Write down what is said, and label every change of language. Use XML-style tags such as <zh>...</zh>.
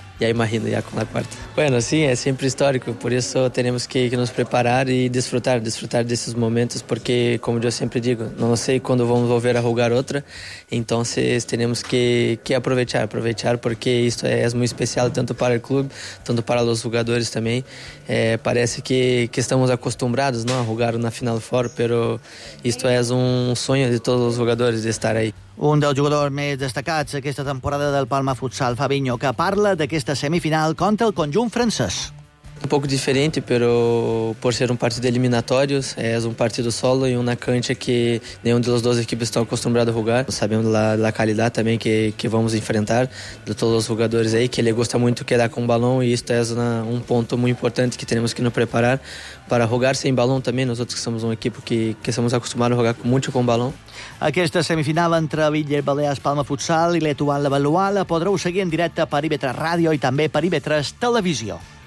<es>ya imagino ya con la cuarta. Bueno, sí, es siempre histórico, por eso tenemos que nos preparar y disfrutar de esos momentos, porque como yo siempre digo, no sé cuándo vamos a volver a jugar otra, entonces tenemos que aprovechar porque esto es muy especial tanto para el club, tanto para los jugadores también. Parece que estamos acostumbrados, ¿no?, a jugar una final fuera, pero esto es un sueño de todos los jugadores de estar ahí.</es> <ca>Un dels jugadors més destacats aquesta temporada del Palma Futsal, Fabinho, que parla d'aquesta semifinal contra el conjunt francès.</ca> <es>Un poco diferente, pero por ser un partido eliminatorio, es un partido solo y una cancha que ninguno de los dos equipos está acostumbrado a jugar. Sabemos la calidad también que vamos a enfrentar de todos los jugadores ahí, que le gusta mucho quedar con balón y esto es un punto muy importante que tenemos que nos preparar para jugar sin balón también. Nosotros que somos un equipo que estamos acostumbrados a jugar mucho con balón.</es> <ca>Aquesta semifinal entre Villers Balears Palma Futsal i l'Etoile Valois la podreu seguir en directe per IB3 Ràdio i també per IB3 Televisió.</ca>